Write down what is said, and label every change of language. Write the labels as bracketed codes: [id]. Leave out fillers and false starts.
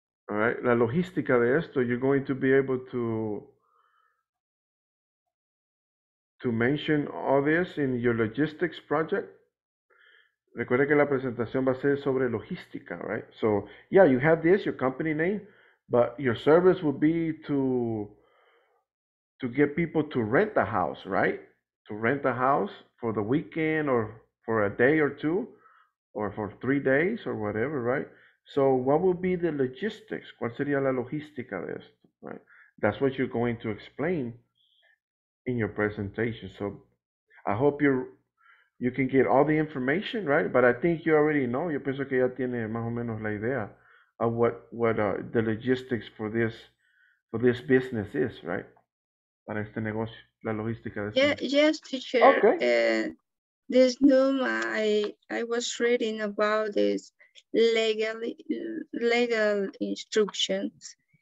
[en] All right, [es] la logística de esto, [en] you're going to be able to mention all this in your logistics project. [es] Recuerde que la presentación va a ser sobre logística, right? [en] So, yeah, you have this, your company name, but your service would be to get people to rent a house, right? To rent a house for the weekend or for a day or two or for 3 days or whatever, right? So what would be the logistics? [es] ¿Cuál sería la logística de esto, [en] right? That's what you're going to explain in your presentation. So I hope you can get all the information, right? But I think you already know. [es] Yo pienso que ya tiene más o menos la idea [en] of what the logistics for this business is, right? [es] Para este negocio, la logística de este negocio. [en] Yes, teacher. Okay. This noon, I was reading about this legal instructions.